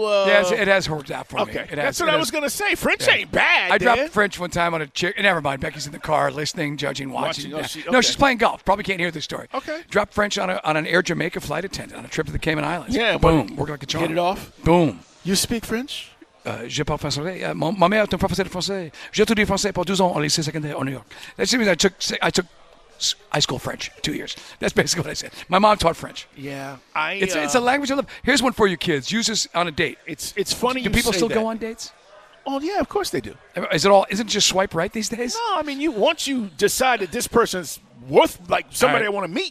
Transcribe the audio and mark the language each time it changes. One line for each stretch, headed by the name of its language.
English: Yes, it has worked out for me. Okay. It has, That's what I was going to say. French ain't bad. I dropped French one time on a chair. Never mind. Becky's in the car listening, judging, watching. She's playing golf. Probably can't hear this story. Okay. Dropped French on an Air Jamaica flight attendant on a trip to the Cayman Islands. Yeah. Boom. Worked like a charm. Hit it off. Boom. You speak French?
French: Je parle français. Ma mère est un professeur de français. J'ai étudié français pour 12 ans au lycée secondaire en New York.
English: That seems like I took high school French 2 years. That's basically what I said. My mom taught French. Yeah, it's a language I love. Here's one for you kids. Use this on a date. It's funny. Do people still go on dates? Oh yeah, of course they do. Isn't it just swipe right these days? No, I mean once you decide that this person's worth like somebody I want to meet,